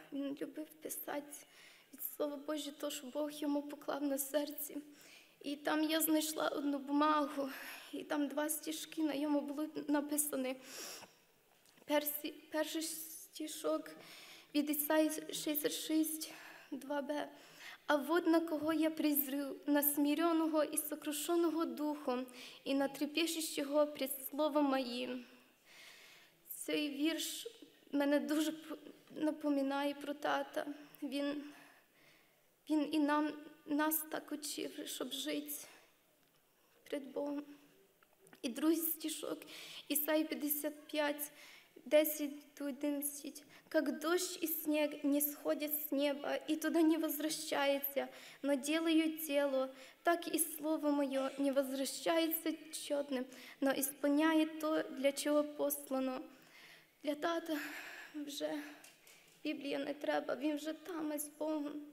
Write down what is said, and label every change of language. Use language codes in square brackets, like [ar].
[uk] Він любив писати від Слова Божого то, що Бог йому поклав на серці. І там я знайшла одну бумагу, і там два стіжки на йому були написані. Перший стишок від Ісаї 66, 2b. [ru] А вот на кого я призрю, на смиренного и сокрушенного духом, и на трепещущего пред словом моим. [uk] Цей вірш мене дуже напоминає про тата. Він і нас так учив, щоб жити пред Богом. І другий стишок, Ісаї 55, 10-11. [ru] Как дождь и снег не сходят с неба и туда не возвращаются, но делают дело, так и слово мое не возвращается тщетным, но исполняет то, для чего послано. [uk] Для тата вже Библия не треба, він вже там із Богом.